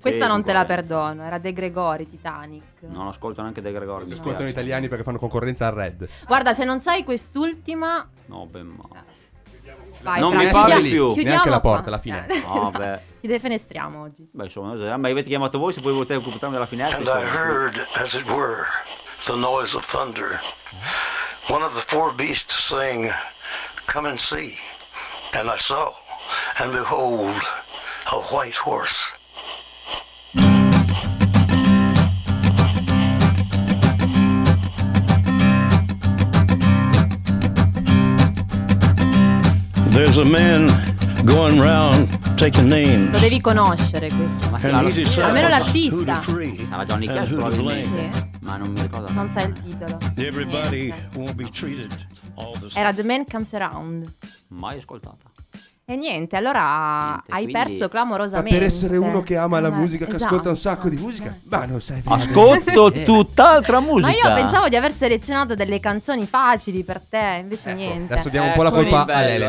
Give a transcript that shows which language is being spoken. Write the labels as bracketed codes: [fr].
[it] Questa non te la perdono, era De Gregori, Titanic. Non ascolto neanche De Gregori. Si ascoltano gli italiani perché fanno concorrenza al Red. Guarda, se non sai quest'ultima. No, ben male. Non mi parli più. Neanche la porta, la finestra. Vabbè. Ti defenestriamo oggi. Beh, insomma, ma avete chiamato voi, se poi volete occuparmi della finestra. [en] And I heard, as it were, the noise of thunder. One of the four beasts saying, come and see. And I saw, and behold, a white horse. There's a man going round taking names. [it] Lo devi conoscere questo. Ma sì, almeno l'artista. Sarà Johnny Cash probabilmente. Ma non mi ricordo. Non sai il titolo. [en] Everybody won't be treated all the same. [it] Era The Man Comes Around. Mai ascoltata. E niente, allora niente, hai quindi perso clamorosamente. Ma per essere uno che ama la musica, esatto, che ascolta un sacco di musica, ma non sai. Ascolto tutt'altra musica. Ma io pensavo di aver selezionato delle canzoni facili per te, invece ecco, niente. Adesso diamo un po' la colpa a Lele.